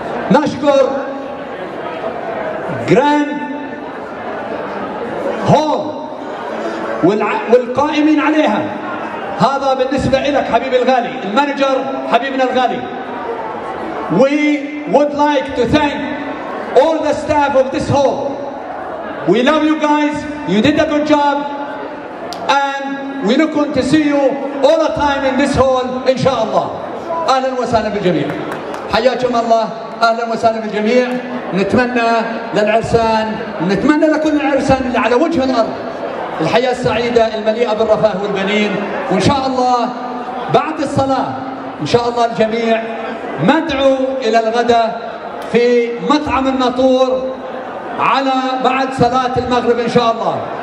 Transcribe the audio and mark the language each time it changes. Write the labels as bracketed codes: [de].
[ar] نشكر جراند هول والقائمين عليها. هذا بالنسبة لك حبيبي الغالي المانجر حبيبنا الغالي. [en] We would like to thank all the staff of this hall. We love you guys. You did a good job. And we look on to see you all the time in this hall إن شاء الله. [ar] أهلا وسهلا بالجميع. حياكم الله. أهلا وسهلا بالجميع. نتمنى للعرسان نتمنى لكل العرسان اللي على وجه الأرض الحياة السعيدة المليئة بالرفاه والبنين وإن شاء الله بعد الصلاة إن شاء الله الجميع مدعو إلى الغداء في مطعم الناطور على بعد صلاة المغرب إن شاء الله.